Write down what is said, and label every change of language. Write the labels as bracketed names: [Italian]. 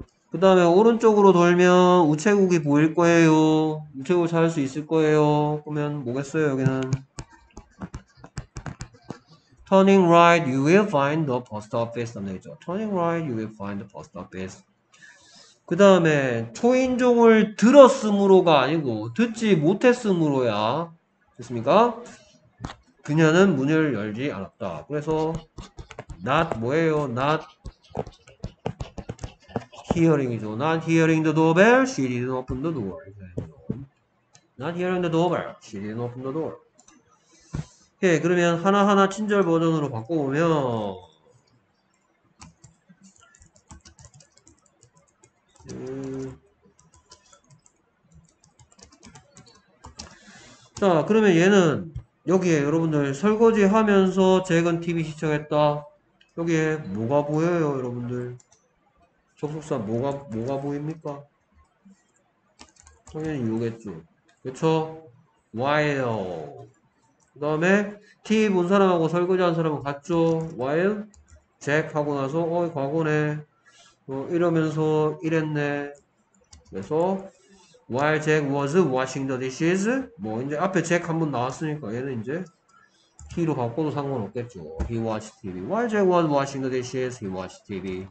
[Korean] 그 다음에, 오른쪽으로 돌면 우체국이 보일 거예요. 우체국 찾을 수 있을 거예요. 그러면, 뭐겠어요, 여기는? [English] Turning right, you will find the post office. [Korean] 되겠죠? [English] Turning right, you will find the post office. [Korean] 그 다음에, 초인종을 들었으므로가 아니고, 듣지 못했으므로야. 됐습니까? 그녀는 문을 열지 않았다. 그래서, not 뭐예요? not. hearing이죠. [English] Not hearing the doorbell, she didn't open the door. Not hearing the doorbell, she didn't open the door. [Korean] 오케이, 그러면 하나하나 친절 버전으로 바꿔보면, 자, 그러면 얘는 여기에 여러분들 설거지 하면서 잭은 TV 시청했다. 여기에 뭐가 보여요, 여러분들? 접속사 뭐가 보입니까? 당연히 이거겠죠. 그쵸? While. 그 다음에 TV 본 사람하고 설거지 한 사람은 같죠. While Jack 하고 나서 과거네. 이러면서 이랬네. 그래서 [English] While Jack was washing the dishes. [Korean] 뭐 이제 앞에 Jack 한번 나왔으니까 얘는 이제 T로 바꿔도 상관없겠죠. [English] He watched TV. While Jack was washing the dishes, he watched TV.